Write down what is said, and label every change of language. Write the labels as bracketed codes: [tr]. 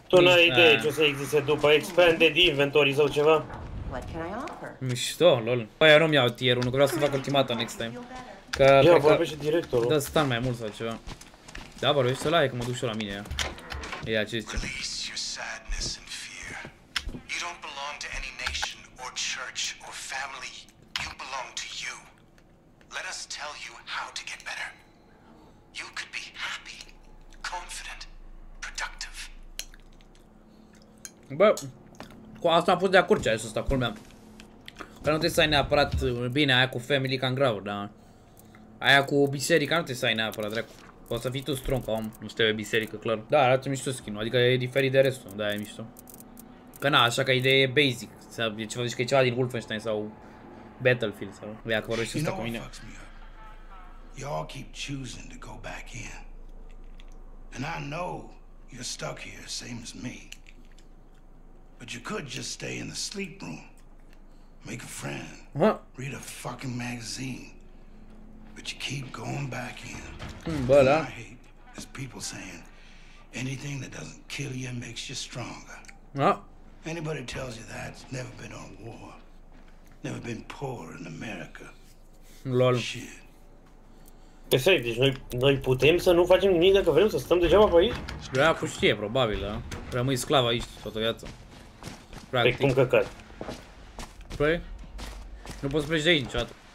[ro] Tu n-ai idee ce o să existe după expanded inventory sau ceva? Mișto, lol. Păi eu nu-mi iau tier 1, că vreau să fac ultimata [en] next time. [ro] Că ia, vorbește directorul. Da, stan mai mult sau ceva. Da, vorbește ăla, e că mă duc și la mine, ia. Ia, ce zice? [en] Release your sadness and fear. You don't belong to any nation or church or family. You belong to you. Let us tell you how to get better. You could be happy, confident, productive. [ro] Bă, cu asta am fost de acord, ce ai zis asta, culmea. Că nu trebuie să ai neapărat, bine, aia cu [en] family can grow, [ro] da. Aia cu biserica nu trebuie să ai neapărat, dracu. Poți să fii tu strong ca om, nu stai pe biserică, clar. Da, arată mișto skin-ul, adică e diferit de restul, da, e mișto. Că na, așa că ideea e basic, e ceva, zici că e ceva din Wolfenstein sau Battlefield sau... Vea că vorbești ăsta cu mine. [en] Y'all keep choosing to go back in. And I know you're stuck here, same as me. But you could just stay in the sleep room. Make a friend. What? Read a fucking magazine. But you keep going back in. But I hate is people saying anything that doesn't kill you makes you stronger. What? Anybody tells you that's never been on war. Never been poor in America. Lol. Shit. [ro] Păi, deci noi putem să nu facem nimic dacă vrem să stăm degeaba pe aici? Vrea cu știe, probabil, da? Rămâi sclav aici toată viața. Practic. Păi cum căcat? Păi? Nu poți pleci de aici niciodată.